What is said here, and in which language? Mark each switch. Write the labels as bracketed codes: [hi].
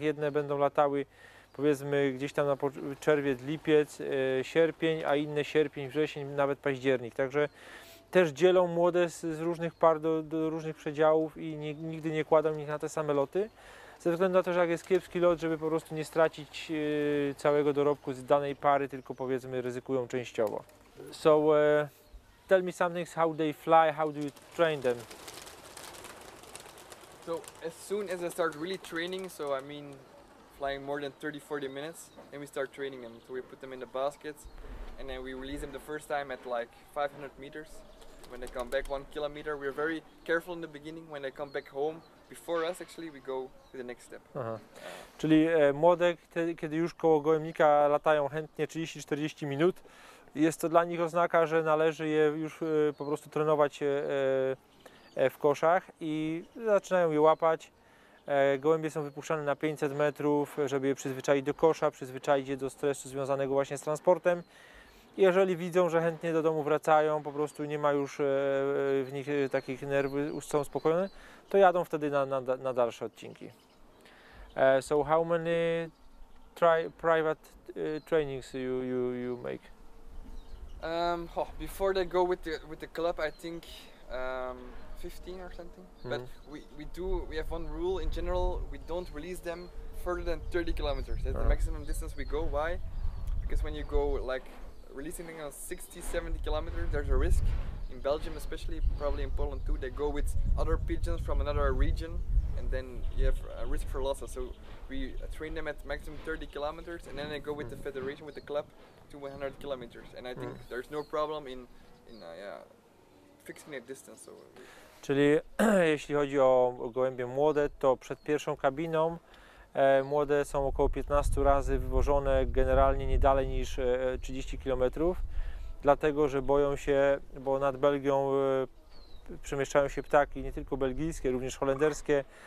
[pl] Jedne będą latały powiedzmy gdzieś tam na czerwiec, lipiec, sierpień, a inne sierpień, wrzesień, nawet październik. Także też dzielą młode z różnych par do różnych przedziałów i nigdy nie kładą ich na te same loty. Ze względu na to, że jak jest kiepski lot, żeby po prostu nie stracić całego dorobku z danej pary, tylko powiedzmy ryzykują częściowo. [en] So tell me something, how they fly, how do you train them? So as soon as I start really training, so I mean flying more than 30-40 minutes, then we start training them. So we put them in the baskets and then we release them the first time at like 500 meters. When they come back 1 kilometer, we're very careful in the beginning. When they come back home, before us actually, we go to the next step. [pl] Czyli młode, kiedy już koło gołębnika latają chętnie 30-40 minut, jest to dla nich oznaka, że należy je już po prostu trenować w koszach i zaczynają je łapać. Gołębie są wypuszczane na 500 metrów, żeby je przyzwyczaić do kosza, przyzwyczaić je do stresu związanego właśnie z transportem. Jeżeli widzą, że chętnie do domu wracają, po prostu nie ma już w nich takich nerwów, są spokojne, to jadą wtedy na dalsze odcinki. [en] So how many private trainings you make? Before they go with the club, I think 15 or something. Mm-hmm. But we have one rule in general: we don't release them further than 30 kilometers. That's the maximum distance we go. Why? Because when you go like releasing them on 60-70 kilometers, there's a risk. In Belgium, especially, probably in Poland too, they go with other pigeons from another region, and then you have a risk for losses. So we train them at maximum 30 kilometers, and then they go with the federation, with the club, to 100 kilometers. And I think there's no problem in fixing that distance. So [pl] czyli jeśli chodzi o gołębie młode, to przed pierwszą kabiną młode są około 15 razy wywożone generalnie nie dalej niż 30 km, dlatego że boją się, bo nad Belgią przemieszczają się ptaki, nie tylko belgijskie, również holenderskie.